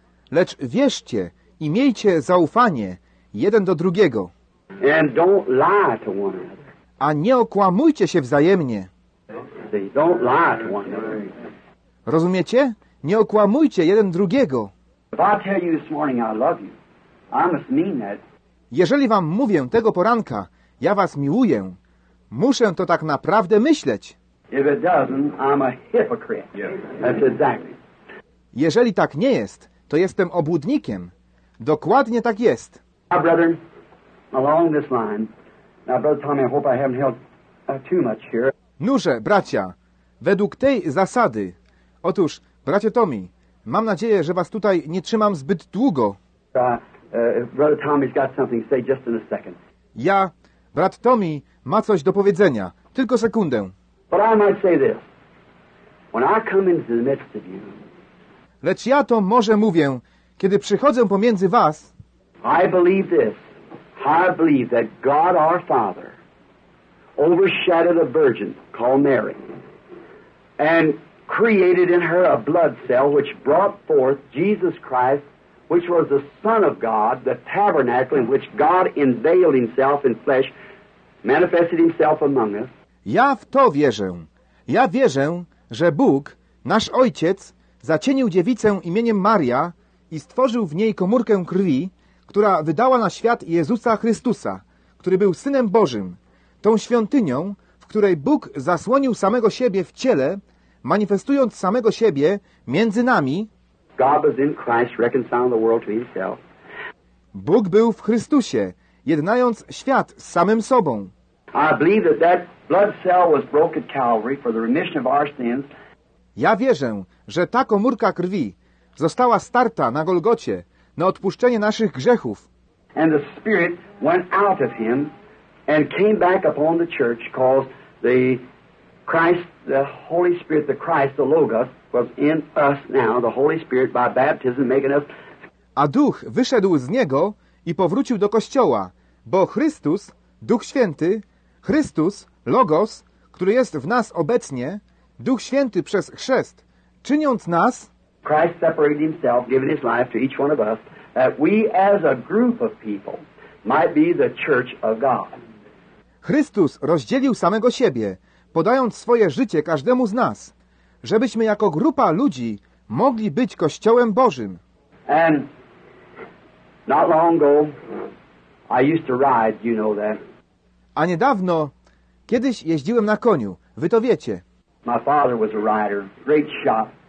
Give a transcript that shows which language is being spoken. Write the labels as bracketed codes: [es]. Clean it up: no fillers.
[pl] Lecz wierzcie i miejcie zaufanie jeden do drugiego. [en] And don't lie to one another. [pl] A nie okłamujcie się wzajemnie. [en] Don't lie to one another. [pl] Rozumiecie? Nie okłamujcie jeden drugiego. [en] If I tell you this morning I love you, I must mean that. [pl] Jeżeli wam mówię tego poranka, ja was miłuję, muszę to tak naprawdę myśleć. [en] If it doesn't, I'm a hypocrite. Yeah. That's exactly. [pl] Jeżeli tak nie jest, to jestem obłudnikiem. Dokładnie tak jest. [en] My brother, along this line, now brother Tommy, I hope I haven't held too much here. [pl] Noże, bracia, według tej zasady. Otóż, bracie Tommy, mam nadzieję, że was tutaj nie trzymam zbyt długo. [en] Brother Tommy's got something to say just in a second. [pl] Ja, brat Tommy, ma coś do powiedzenia. Tylko sekundę. [en] But I might say this. When I come into the midst of you, [pl] lecz ja to może mówię, kiedy przychodzę pomiędzy was. [en] I believe this. I believe that God our Father overshadowed a virgin called Mary and created in her a blood cell which brought forth Jesus Christ, which was the Son of God, the tabernacle in which God unveiled himself in flesh, manifested himself among us. [pl] Ja w to wierzę. Ja wierzę, że Bóg, nasz Ojciec, zacienił dziewicę imieniem Maria i stworzył w niej komórkę krwi, która wydała na świat Jezusa Chrystusa, który był Synem Bożym, tą świątynią, w której Bóg zasłonił samego siebie w ciele, manifestując samego siebie między nami. [en] God was in Christ, reconciling the world to himself. [pl] Bóg był w Chrystusie, jednając świat z samym sobą. [en] I believe that that blood cell was broken at Calvary for the remission of our sins. [pl] Ja wierzę, że ta komórka krwi została starta na Golgocie na odpuszczenie naszych grzechów. [en] And the Spirit went out of him and came back upon the church, caused the Christ, the Holy Spirit, the Christ, the Logos, was in us now, the Holy Spirit by baptism making us. [pl] A Duch wyszedł z niego i powrócił do Kościoła, bo Chrystus, Duch Święty, Chrystus, Logos, który jest w nas obecnie, Duch Święty przez chrzest, czyniąc nas, [en] Christ separated himself, giving his life to each one of us, that we as a group of people might be the church of God. [pl] Chrystus rozdzielił samego siebie, podając swoje życie każdemu z nas, żebyśmy jako grupa ludzi mogli być Kościołem Bożym. [en] And not long ago, I used to ride, you know that. [pl] A niedawno, kiedyś jeździłem na koniu, wy to wiecie. [en] My father was a rider, great shot.